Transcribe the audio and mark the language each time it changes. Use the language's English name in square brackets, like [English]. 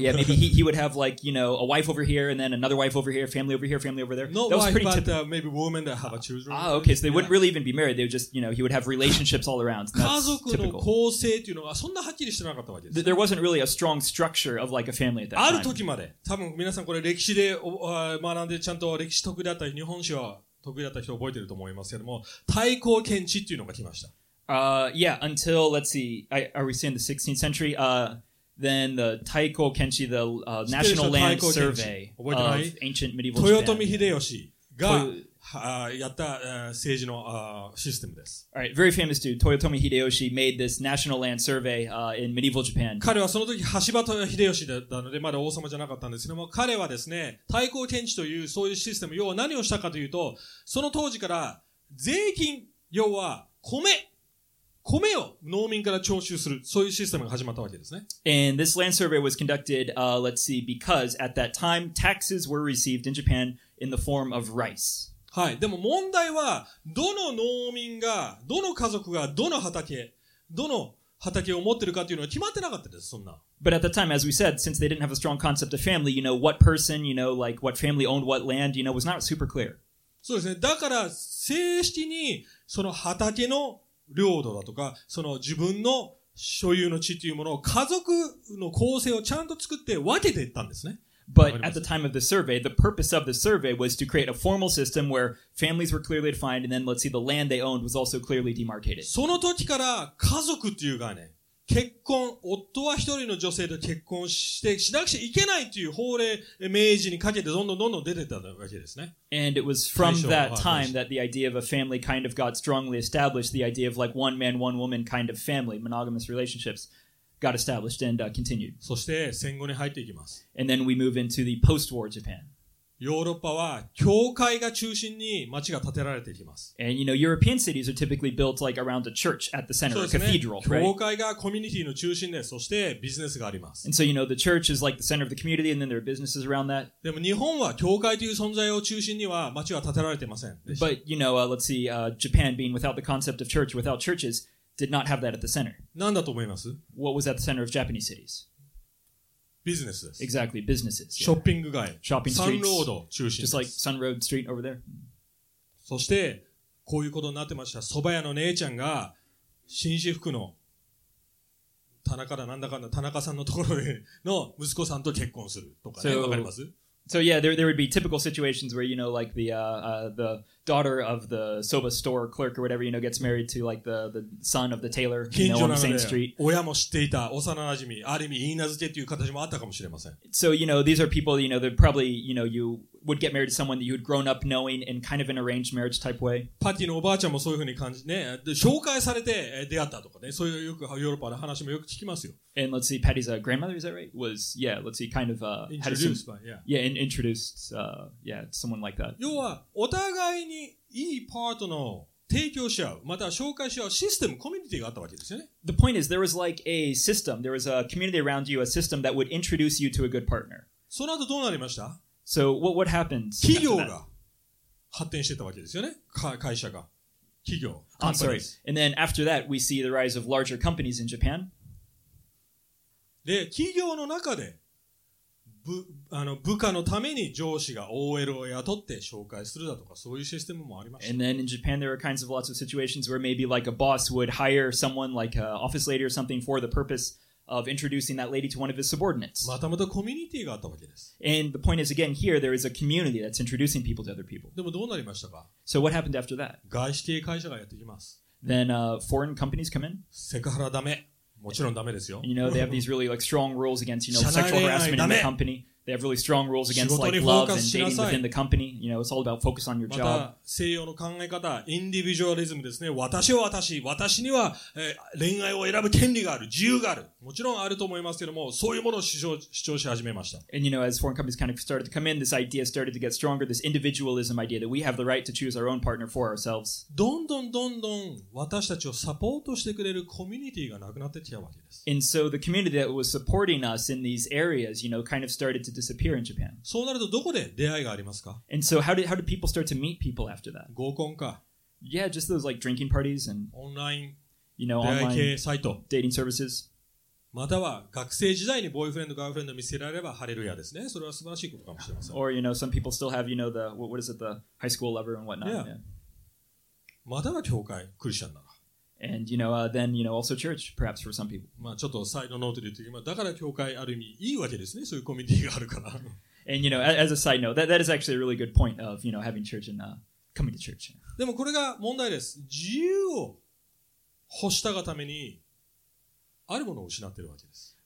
[English] Yeah, maybe he would have like, you know, a wife over here and then another wife over here, family over there. Not that was wife, pretty but, typical. Maybe women that have a children. Ah, okay, so they wouldn't really even be married. They would just, you know, he would have relationships all around. That's typical. [Japanese] 家族の構成というのがそんなはっきりしてなかったわけです。 [English] There wasn't really a strong structure of like a family at that time. [Japanese] ある時まで。多分皆さんこれ歴史で、学んでちゃんと歴史得意だった日本史は得意だった人覚えてると思いますけども、対抗検知というのが来ました。 [English] Yeah, until, let's see, are we saying the 16th century? Then the Taiko Kenchi, the National Land Survey of ancient medieval Japan. [Japanese] 豊臣秀吉がやった政治のシステムです。 [English] All right, very famous dude. 豊臣秀吉 made this National Land Survey in medieval Japan. [Japanese] 彼はその時橋場豊秀吉だったのでまだ王様じゃなかったんですけども、彼はですね、Taiko Kenchi というそういうシステム、要は何をしたかというと、その当時から税金、要は米、米を農民から徴収する、そういうシステムが始まったわけですね。 [English] And this land survey was conducted, let's see, because at that time, taxes were received in Japan in the form of rice. [Japanese] はい。でも問題は、どの農民が、どの家族が、どの畑を持ってるかというのは決まってなかったです、そんな。 [English] But at that time, as we said, since they didn't have a strong concept of family, you know, what person, you know, like what family owned what land, you know, was not super clear. [Japanese] そうですね。だから、正式に、その畑の領土だとか、その自分の所有の地というものを家族の構成をちゃんと作って分けていったんですね。 [English] But at the time of the survey, the purpose of the survey was to create a formal system where families were clearly defined and then let's see, the land they owned was also clearly demarcated. [Japanese] その時から家族っていう概念、結婚、夫は一人の女性と結婚してしなくちゃいけないという法令、明治にかけてどんどんどんどん出てたわけですね。 [English] And it was from that time that the idea of a family kind of got strongly established, the idea of like one man, one woman kind of family, monogamous relationships, got established and continued. [Japanese] そして戦後に入っていきます。 [English] And then we move into the post-war Japan. [Japanese] ヨーロッパは教会が中心に町が建てられていきます。 [English] And you know, European cities are typically built like around a church at the center, [Japanese] そうですね、 [English] a cathedral, right? [Japanese] 教会がコミュニティの中心で、そしてビジネスがあります。 [English] And so, you know, the church is like the center of the community and then there are businesses around that. [Japanese] でも日本は教会という存在を中心には町は建てられていません。 [English] But you know, let's see, Japan being without the concept of church, without churches,did not have that at the center. [Japanese] 何だと思います? [English] What was at the center of Japanese cities? Businesses. Exactly, businesses. [Japanese] Shopping 街. [English] Shopping streets. [Japanese] Sun Road 中心. [English] Just like Sun Road Street over there. [Japanese] そしてこういうことになってました。蕎麦屋の姉ちゃんが紳士服の田中だなんだかんだ田中さんのところでの息子さんと結婚するとかね。わかります? [English] So yeah, there would be typical situations where, you know, like the daughter of the soba store clerk or whatever, you know, gets married to like the son of the tailor, you know, on the same street. [Japanese] 親も知っていた幼馴染、ある意味言い名付けという形もあったかもしれません。 [English] So, you know, these are people, you know, that probably, you know, you would get married to someone that you had grown up knowing in kind of an arranged marriage type way. [Japanese] パティのおばあちゃんもそういうふうに感じ、ね、紹介されて出会ったとかね、そういうよくヨーロッパの話もよく聞きますよ。 [English] And let's see, Patty's grandmother, is that right? Was, yeah, let's see, kind of introduced by, yeah. Yeah, introduced, yeah, someone like that. [Japanese] 要は、お互いにいいパートナーを提供し合う、または紹介し合うシステム、コミュニティがあったわけですよね。 [English] The point is, there was like a system, there was a community around you, a system that would introduce you to a good partner. [Japanese] その後どうなりました? [English] So, what happens? [Japanese] 企業が発展してたわけですよね、会社が。企業。 [English] I'm sorry. And then after that, we see the rise of larger companies in Japan. [Japanese] で企業の中で部下のために上司が OL を雇って紹介するだとかそういうシステムもありました [English] 。And then in Japan there are kinds of lots of situations where maybe like a boss would hire someone like an office lady or something for the purpose of introducing that lady to one of his subordinates. [Japanese] またまたコミュニティがあったわけです。 [English] And the point is again here there is a community that's introducing people to other people. [Japanese] でもどうなりましたか? [English] So what happened after that? [Japanese] 外資系会社がやってきます。 [English] Then foreign companies come in? [Japanese] セクハラダメ。もちろんダメですよ。 [English] You know, they have these really like strong rules against, you know, sexual harassment in the company. They have really strong rules against like love and dating within the company. You know, it's all about focus on your job. [Japanese] また西洋の考え方、インディビジュアリズムですね。私は私、私には、恋愛を選ぶ権利がある、自由がある。もちろんあると思いますけども、そういうものを主張し始めました。 [English] And you know, as foreign companies kind of started to come in, this idea started to get stronger, this individualism idea that we have the right to choose our own partner for ourselves. [Japanese] どんどんどんどん私たちをサポートしてくれるコミュニティがなくなってきたわけです。 [English] And so the community that was supporting us in these areas, you know, kind of started to disappear in Japan. [Japanese] そうなるとどこで出会いがありますか? [English] And so how did people start to meet people after that? [Japanese] 合コンか。 [English] Yeah, just those like drinking parties and online, you know, [Japanese] 出会い系サイト。 [English] Dating services. [Japanese] または学生時代にボーイフレンド、ガールフレンド見せられればハレルヤですね。それは素晴らしいことかもしれません。 [English] Or, you know, some people still have, you know, the, what is it, the high school lover and whatnot. Yeah. [Japanese] または教会、クリスチャンなら。 [English] And, you know, then, you know, also church, perhaps for some people. [Japanese] まあちょっとサイドノートで言って、だから教会ある意味いいわけですね。そういうコミュニティがあるから。 [English] And, you know, as a side note, that is actually a really good point of, you know, having church and coming to church. [Japanese] でもこれが問題です。自由を欲したがために、あるものを失っているわけです。